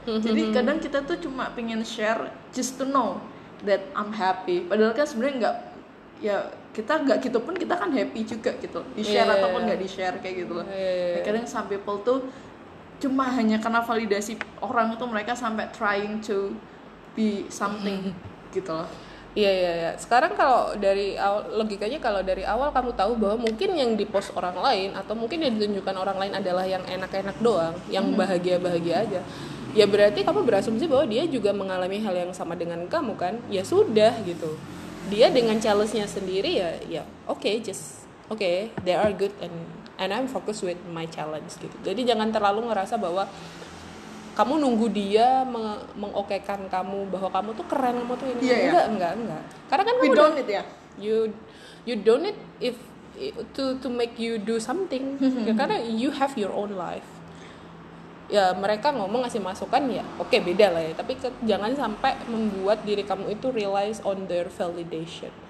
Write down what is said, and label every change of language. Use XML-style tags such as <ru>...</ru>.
<id>Jadi kadang kita tuh cuma pengen share</id> <en>just to know that I'm happy.</en> <id>Padahal kan sebenarnya nggak, ya kita nggak gitu pun kita kan happy juga gitu loh. Di share ataupun nggak di share kayak gitu loh. Kadang some people tuh cuma hanya karena validasi orang itu mereka sampai</id> <en>trying to be something</en> <id>gitu loh. Iya. Sekarang kalau dari awal, logikanya kalau dari awal kamu tahu bahwa mungkin yang dipost orang lain atau mungkin yang ditunjukkan orang lain adalah yang enak-enak doang, yang bahagia-bahagia aja. Ya berarti kamu berasumsi bahwa dia juga mengalami hal yang sama dengan kamu kan? Ya sudah gitu. Dia dengan challenge-nya sendiri ya okay,</id> <en>they are good and I'm focused with my challenge</en> <id>gitu. Jadi jangan terlalu ngerasa bahwa kamu nunggu dia mengokekan kamu bahwa kamu tuh keren, kamu tuh ini. Enggak. Karena kan</id> <en>we</en> <id>kamu</id> <en>don't need ya. You don't need if to make you do something.</en> <id>Ya, karena</id> <en>you have your own life.</en> <id>Ya, mereka ngomong ngasih masukan ya. Oke, beda lah ya. Tapi jangan sampai membuat diri kamu itu</id> <en>relies on their validation.</en>